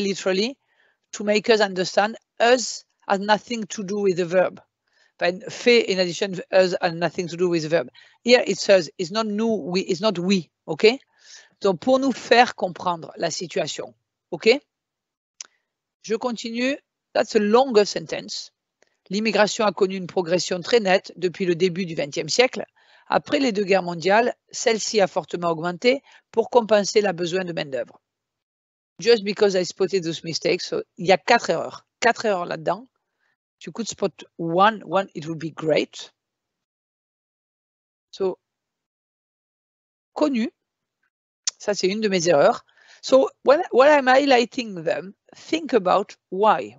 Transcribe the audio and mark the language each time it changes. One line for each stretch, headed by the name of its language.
English: Literally, to make us understand, us has nothing to do with the verb. But fait, in addition, us has nothing to do with the verb. Here it says, it's not nous, we, it's not we, okay?
French: Donc, pour nous faire comprendre la situation, okay? Je continue.
English: That's a longer sentence.
French: L'immigration a connu une progression très nette depuis le début du XXe siècle. Après les deux guerres mondiales, celle-ci a fortement augmenté pour compenser la besoin de main-d'œuvre.
English: Just because I spotted those mistakes, so
French: il y a quatre erreurs. Quatre erreurs là-dedans.
English: If you could spot one, it would be great. So, connu.
French: Ça, c'est une de mes erreurs.
English: So, while I'm highlighting them, think about why.